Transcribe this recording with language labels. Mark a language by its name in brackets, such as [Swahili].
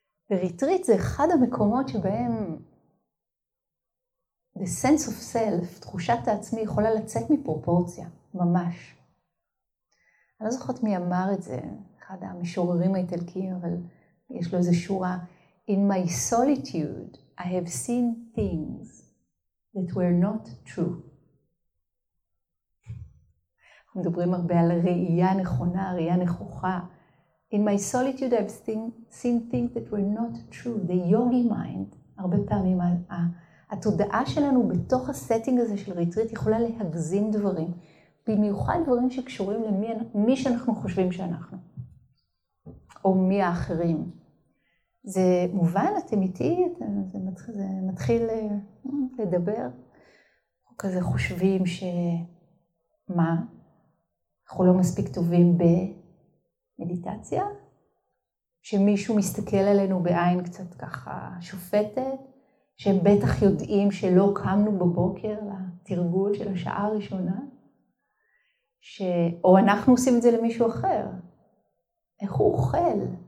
[Hebrew] וריטריט זה אחד המקומות שבהם [English] the sense of self, [Hebrew] תחושת העצמי, יכולה לצאת מפרופורציה, ממש. אני לא זוכרת מי אמר את זה, אחד המשוררים האיטלקיים, אבל יש לו איזו שורה... [English] In my solitude, I have seen things that were not true. [Hebrew] מדברים הרבה על ראייה נכונה, ראייה נכוחה. [English] In my solitude I've seen things that were not true. The yogi mind, [Hebrew] הרבה פעמים, התודעה שלנו בתוך הסטינג הזה של ריטריט יכולה להגזים דברים, במיוחד דברים שקשורים למי מי שאנחנו חושבים שאנחנו, או מי האחרים. זה מובן, אתם איתי, זה מתחיל לדבר, או כזה חושבים שמה, אנחנו לא מספיק טובים במדיטציה, שמישהו מסתכל עלינו בעין קצת ככה שופטת, שהם בטח יודעים שלא קמנו בבוקר לתרגול של השעה הראשונה, או אנחנו עושים את זה למישהו אחר. איך הוא אוכל?